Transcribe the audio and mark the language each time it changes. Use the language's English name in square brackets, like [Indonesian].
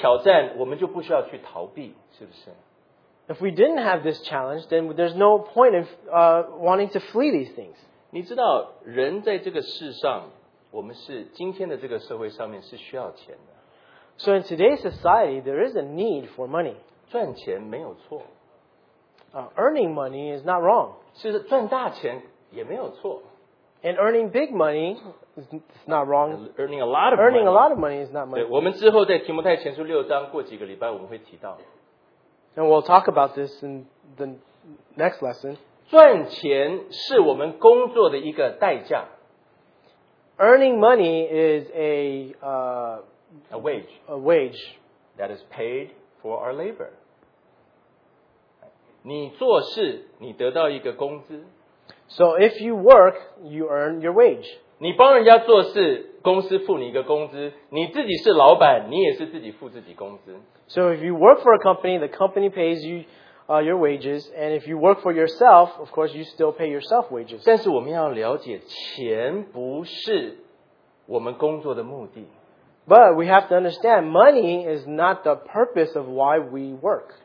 [Chinese] 因为如果没有这个挑战，我们就不需要去逃避，是不是？ [English] If we didn't have this challenge, then there's no point in wanting to flee these things. [Chinese] 你知道，人在这个世上，我们是今天的这个社会上面是需要钱的。 [English] So in today's society, there is a need for money. [Chinese] 赚钱没有错。 [English] Earning money is not wrong. [Chinese] 是赚大钱也没有错。 [English] And earning big money is not wrong. Earning a lot of money. Earning a lot of money is not money. [Chinese] 对，我们之后在提摩太前书六章过几个礼拜我们会提到。 [English] And we'll talk about this in the next lesson. [Chinese] 赚钱是我们工作的一个代价。 [English] Earning money is a wage. A wage that is paid for our labor. [Chinese] 你做事，你得到一个工资。 [English] So if you work, you earn your wage. [Chinese] 你帮人家做事，公司付你一个工资。你自己是老板，你也是自己付自己工资。 [English] So if you work for a company, the company pays you your wages. And if you work for yourself, of course, you still pay yourself wages. [Chinese] 但是我们要了解，钱不是我们工作的目的。 [English] But we have to understand, money is not the purpose of why we work.